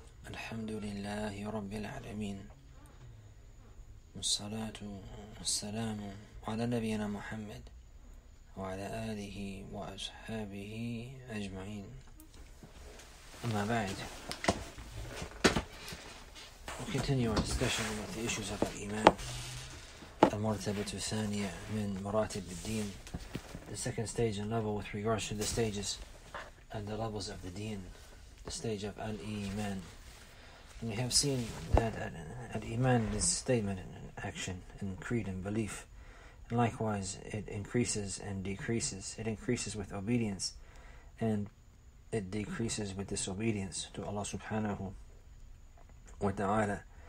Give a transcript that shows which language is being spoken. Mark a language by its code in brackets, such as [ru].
[ar] الحمد لله رب العالمين، والصلاة والسلام على نبينا محمد وعلى آله وأصحابه أجمعين، أما بعد. [en] We'll continue our discussion about the issues of الإيمان. [ar] المرتبة الثانية من مراتب الدين. [en] The second stage and level with regards to the stages and the levels of the deen, the stage of al-iman. And we have seen that al-iman is statement and action and creed and belief. And likewise, it increases and decreases. It increases with obedience and it decreases with disobedience to Allah subhanahu wa ta'ala.